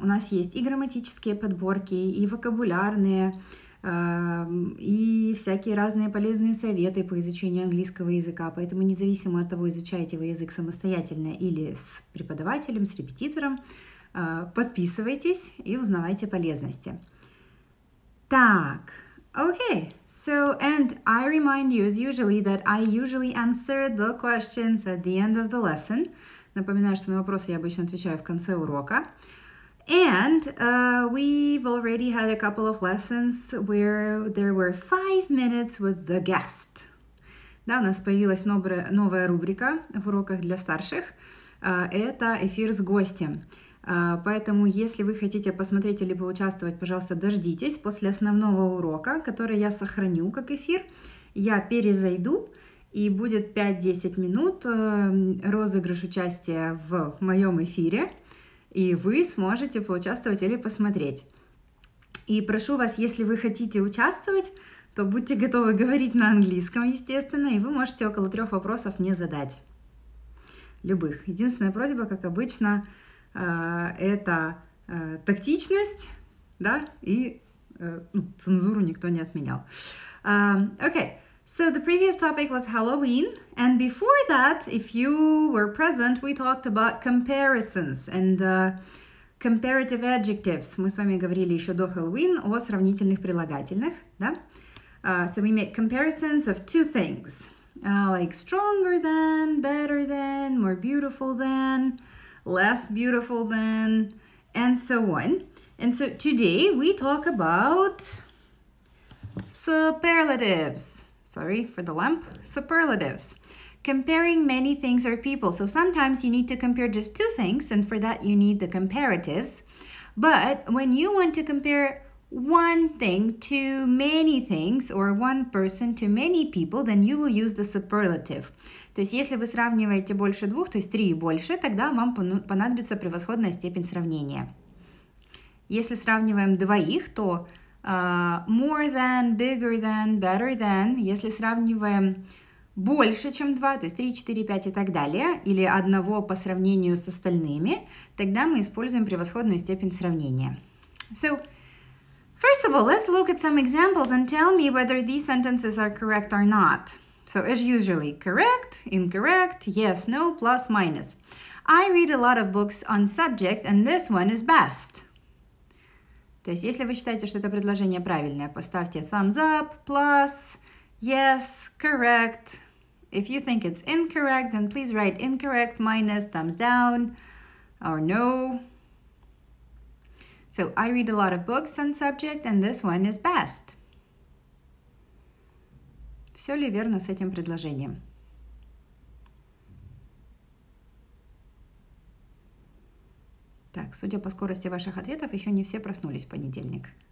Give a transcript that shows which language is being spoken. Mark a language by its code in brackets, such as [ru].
[ru] У нас есть и грамматические подборки, и вокабулярные, и всякие разные полезные советы по изучению английского языка. Поэтому независимо от того, изучаете вы язык самостоятельно или с преподавателем, с репетитором, подписывайтесь и узнавайте полезности. Так. [en] Okay, so and I remind you as usually that I usually answer the questions at the end of the lesson. [ru] Напоминаю, что на вопросы я обычно отвечаю в конце урока. [en] And we've already had a couple of lessons where there were 5 minutes with the guest. [ru] Да, у нас появилась новая рубрика в уроках для старших. Это эфир с гостем. Поэтому, если вы хотите посмотреть или поучаствовать, пожалуйста, дождитесь после основного урока, который я сохраню как эфир. Я перезайду. И будет 5-10 минут розыгрыш участия в моем эфире, и вы сможете поучаствовать или посмотреть. И прошу вас, если вы хотите участвовать, то будьте готовы говорить на английском, естественно, и вы можете около 3 вопросов мне задать. Любых. Единственная просьба, как обычно, это тактичность, да, и цензуру никто не отменял. [en] Okay. So the previous topic was Halloween, and before that, if you were present, we talked about comparisons and comparative adjectives. [ru] Мы с вами говорили еще до Halloween о сравнительных прилагательных, да? [en] So we made comparisons of two things, like stronger than, better than, more beautiful than, less beautiful than, and so on. And so today we talk about superlatives. Sorry for the lamp. Superlatives. Comparing many things or people. So sometimes you need to compare just two things, and for that you need the comparatives. But when you want to compare one thing to many things or one person to many people, then you will use the superlative. [ru] То есть если вы сравниваете больше двух, то есть три и больше, тогда вам понадобится превосходная степень сравнения. Если сравниваем двоих, то [en] more than, bigger than, better than. [ru] Если сравниваем больше, чем 2, то есть 3, 4, 5 и так далее, или одного по сравнению с остальными, тогда мы используем превосходную степень сравнения. [en] So, first of all, let's look at some examples and tell me whether these sentences are correct or not. So, as usually, correct, incorrect, yes, no, plus, minus. I read a lot of books on subject, and this one is best. [ru] То есть, если вы считаете, что это предложение правильное, поставьте [en] thumbs up, plus, yes, correct. If you think it's incorrect, then please write incorrect, minus, thumbs down, or no. So, I read a lot of books on subject, and this one is best. [ru] Все ли верно с этим предложением? Так, судя по скорости ваших ответов, еще не все проснулись в понедельник.